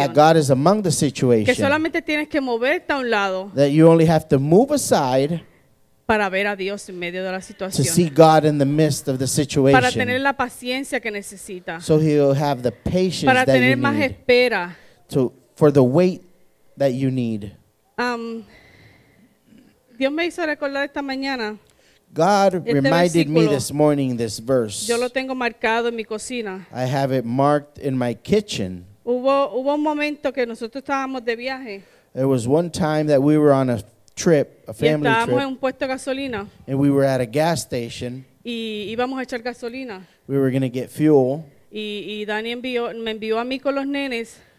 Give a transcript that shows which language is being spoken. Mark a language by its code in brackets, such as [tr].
[en] That God is among the situation. [es] Que solamente tienes que moverte a un lado. [en] That you only have to move aside. [es] Para ver a Dios en medio de la situación. [en] To see God in the midst of the situation. [es] Para tener la paciencia que necesita. [en] So he'll have the patience [es] para [en] that you need. [es] Para tener más espera. [en] For the wait that you need. [es] Dios me hizo recordar esta mañana. [en] God reminded me this morning this verse. [es] Yo lo tengo marcado en mi cocina. [en] I have it marked in my kitchen. [es] Hubo un momento que nosotros estábamos de viaje. [en] There was one time that we were on a trip, a family trip. [es] Y estábamos en un puesto de gasolina. [en] And we were at a gas station. [es] Y íbamos a echar gasolina. [en] We were going to get fuel. [es] Y Dani me envió a mí con los nenes.